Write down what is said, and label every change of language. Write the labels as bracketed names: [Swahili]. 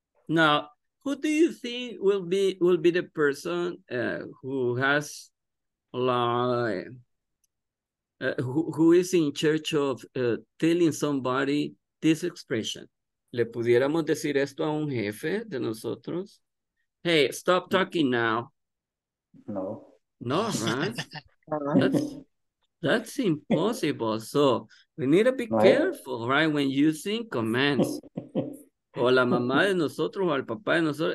[English] Now, who do you think will be the person who has who is in charge of telling somebody this expression? [Spanish] ¿Le pudiéramos decir esto a un jefe de nosotros? [English] Hey, stop talking now. No. No, right? That's impossible. So we need to be careful, right, when using commands. [Spanish] O la mamá de nosotros o al papá de nosotros.